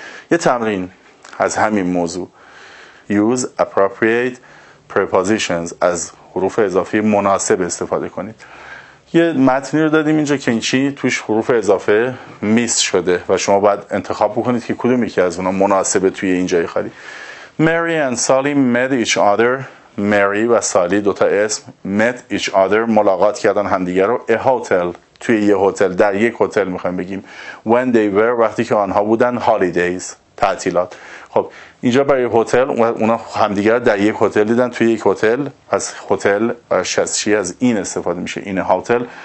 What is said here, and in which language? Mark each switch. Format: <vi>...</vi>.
<fa>یه تمرین از همین موضوع،</fa> <en>use appropriate prepositions،</en> <fa>از حروف اضافه مناسب استفاده کنید. یه متنی رو دادیم اینجا که این چی توش حروف اضافه میس شده و شما باید انتخاب بکنید که کدومی که از اونا مناسبه توی این جای خالی.</fa> <en>Mary and Sally met each other.</en> <fa>Mary و سالی دوتا اسم،</fa> <en>met each other،</en> <fa>ملاقات کردن همدیگر رو. A hotel، توی یه هتل، در یک هتل میخوایم بگیم.</fa> <en>When they were،</en> <fa>وقتی که آنها بودن. Holidays، تعطیلات. خب اینجا برای هتل اونا همدیگر در یک هتل دیدن، توی یک هتل، از هتل از چی؟ از این استفاده میشه، این هتل.</fa>